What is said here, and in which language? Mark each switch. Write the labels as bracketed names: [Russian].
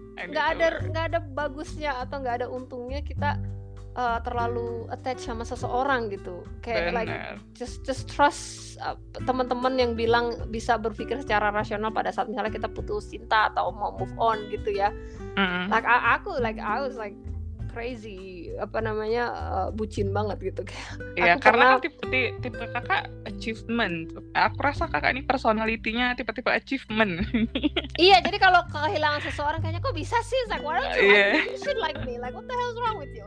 [Indonesian] Nggak ada bagusnya atau nggak ada untungnya kita terlalu attached sama seseorang gitu. Kayak [English] just trust [Indonesian] teman-teman yang bilang bisa berpikir secara rasional pada saat misalnya kita putus cinta atau mau move on gitu ya. [English] I was crazy, [Indonesian] bucin banget gitu kayak. Iya, karena tipe kakak achievement. Aku rasa kakak ini personalitinya tipe-tipe achievement. Iya, jadi kalau kehilangan seseorang kayaknya kok bisa sih? [English] It's like, why don't you you should like me? Like, what the hell's wrong with you?